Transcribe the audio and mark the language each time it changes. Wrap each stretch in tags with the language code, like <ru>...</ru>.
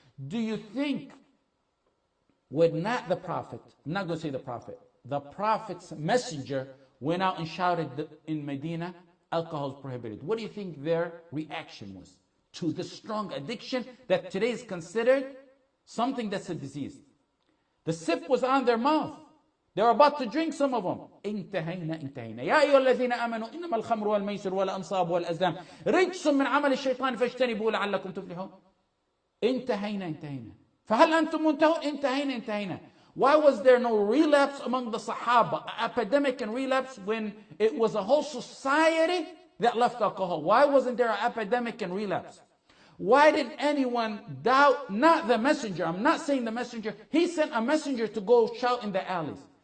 <en>Do you think would not the Prophet, I'm not going to say the Prophet's messenger went out and shouted in Medina, alcohol is prohibited. What do you think their reaction was to the strong addiction that today is considered something that's a disease? The sip was on their mouth. They were about to drink some of them.</en> <ar>انتهينا انتهينا. يا أيها الذين آمنوا إنما الخمر والميسر والأنصاب والأزلام رجس من عمل الشيطان فاجتنبوه لعلكم تفلحون. انتهينا انتهينا. فهل أنتم منتهون؟ انتهينا انتهينا.</ar> <en>Why was there no relapse among the Sahaba? Epidemic and relapse when it was a whole society that left alcohol. Why wasn't there an epidemic and relapse? Why did anyone doubt, not the messenger, I'm not saying the messenger, he sent a messenger to go shout in the alleys.</en>